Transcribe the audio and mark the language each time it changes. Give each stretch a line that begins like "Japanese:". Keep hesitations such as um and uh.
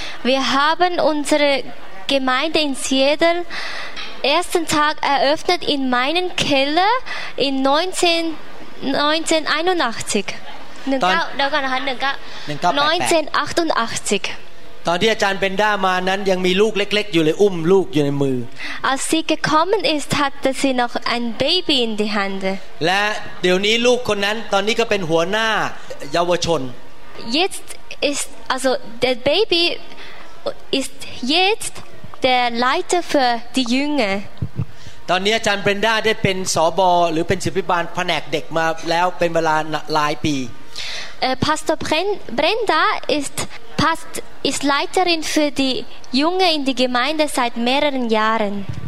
German: Wir haben unsere Gemeinde in Seattle ersten Tag eröffnet in meinem Keller in 19, 1981. 1988.
Thai: ตอนที่อาจารย์เบนด้ามานั้นยังมีลูกเล็กๆอยู่เลยอุ้มลูกอยู่ในมือ
German: Als sie gekommen ist hatte sie noch ein Baby in die Hand
Thai: และเดี๋ยวนี้ลูกคนนั้นตอนนี้ก็เป็นหัวหน้าเยาวชน
German: Jetzt ist also der Baby ist jetzt der Leiter für die Jünger.
Thai: ตอนนี้อาจารย์เบรนด้าได้เป็นสอบอหรือเป็นศิพิบาลแผนกเด็กมาแล้วเป็นเวลาหลายปี
German: Pastor Brenda ist Past ist Leiterin für die Junge in der Gemeinde seit mehreren Jahren.